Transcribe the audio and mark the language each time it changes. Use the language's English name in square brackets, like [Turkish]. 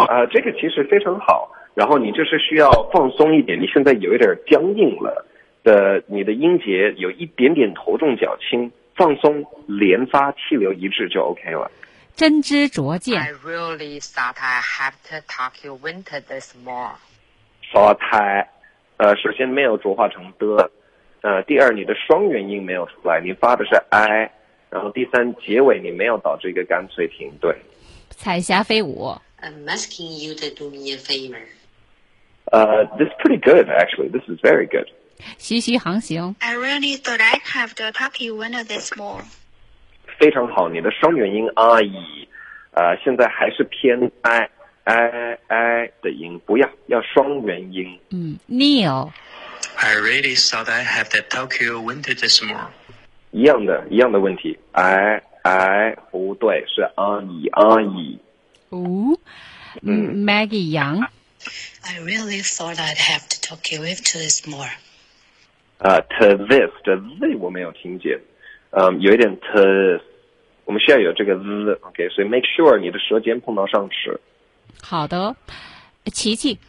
[Chinese] 这个其实非常好，然后你就是需要放松一点，你现在有一点僵硬了的，你的音节有一点点头重脚轻，放松连发，气流一致就 OK 了。真知灼见， [English] I really thought I have to talk you into this more。 thought I [Chinese] 首先没有浊化成的，第二你的双元音没有出来，你发的是 I， 然后第三结尾你没有导致一个干脆停顿。彩霞飞舞， [English] I'm asking you to do me a favor。 This is pretty good actually, this is very good。 [Chinese] 徐徐航行， [English] I really thought I'd have to talk you into this more。 [Chinese] 非常好，你的双元音 I 现在还是偏 I 的音，不要，要双元音。嗯， Neil， [English] I really thought I have to talk you into this more。 [Chinese] 一样的问题， I 不对，是阿姨。 Maggie Yang， [English] I really thought I'd have to talk you into this more。 to this, to the [Chinese] 我没有听见，有一点 to， 我们需要有这个 the， OK， 所以 [English] make sure [Chinese] 你的舌尖碰到上齿。好的，琪琪。